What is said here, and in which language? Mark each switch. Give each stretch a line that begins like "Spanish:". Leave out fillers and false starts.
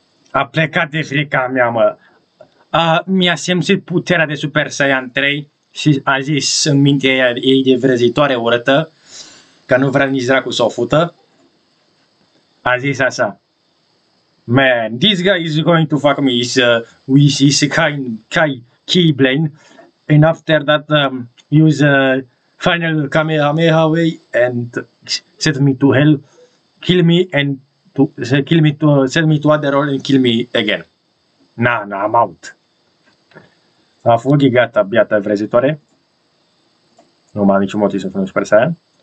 Romanian: A plecat de frica mea, mă. Mi-a simțit puterea de Super Saiyan 3 și a zis în mintea ei de vrăzitoare urâtă, că nu vrea nici dracu să o fută. A zis așa:
English: man, this guy is going to fuck me with his Kai Keyblade. And after that, use a final Kamehameha way and set me to hell, kill me and send me to other role and kill me again. Nah, I'm out.
Romanian: A fost gigata, biata vrezitoare. Nu mai am niciun motiv să fiu Super Saiyan.